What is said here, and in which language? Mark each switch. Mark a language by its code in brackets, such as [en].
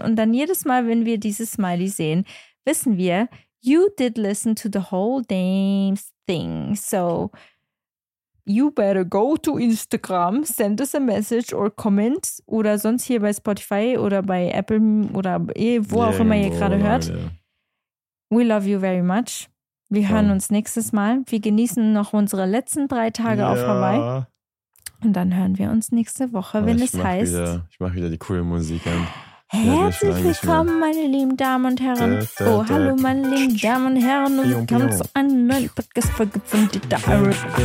[de] Und dann jedes Mal, wenn wir dieses Smiley sehen, wissen wir, [en] you did listen to the whole damn thing. So, you better go to Instagram, send us a message or comment [de] oder sonst hier bei Spotify oder bei Apple oder wo auch immer ihr gerade hört. [en] Yeah. We love you very much. [de] Wir hören uns nächstes Mal. Wir genießen noch unsere letzten 3 Tage auf Hawaii. Und dann hören wir uns nächste Woche, wenn es heißt. Ich mache wieder die coole Musik an. Herzlich willkommen, meine lieben Damen und Herren. Hallo, meine lieben Damen und Herren. Und willkommen zu einem neuen Podcast-Folge von Dieter Eric.